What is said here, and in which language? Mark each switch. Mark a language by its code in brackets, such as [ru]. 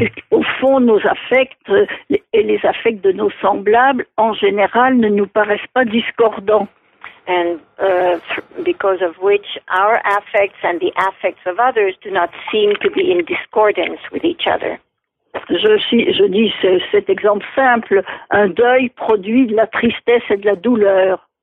[fr] Au fond, nos affects et les affects de nos semblables, en général, ne nous paraissent pas discordants. [en] And because of which our affects and the affects of others do not seem to be in discordance with each other. [fr] Je dis cet exemple simple. Un deuil produit de la tristesse et de la douleur.